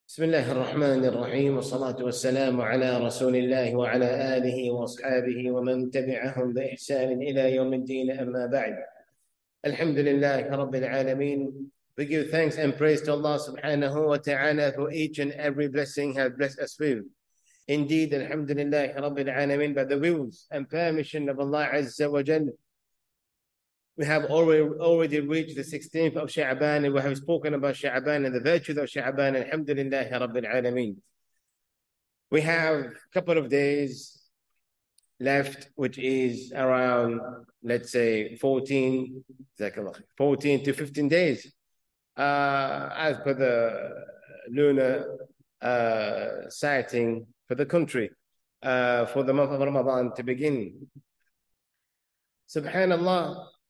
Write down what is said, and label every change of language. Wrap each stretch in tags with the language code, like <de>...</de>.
<ar>بسم الله الرحمن الرحيم، والصلاة والسلام على رسول الله وعلى آله وأصحابه ومن تبعهم بإحسان إلى يوم الدين. أما بعد، الحمد لله رب العالمين.</ar> <en>We give thanks and praise to Allah subhanahu wa ta'ala for each and every blessing He has blessed us with.</en> <ar>Indeed, الحمد لله رب العالمين.</ar> <en>By the wills and permission of Allah Azza wa Jal, we have already reached the 16th of Sha'ban, and we have spoken about Sha'ban and the virtues of Sha'ban. Alhamdulillah Rabbil Alameen. We have a couple of days left, which is around, let's say, 14 to 15 days, as per the lunar sighting for the country, for the month of Ramadan to begin. Subhanallah.</en>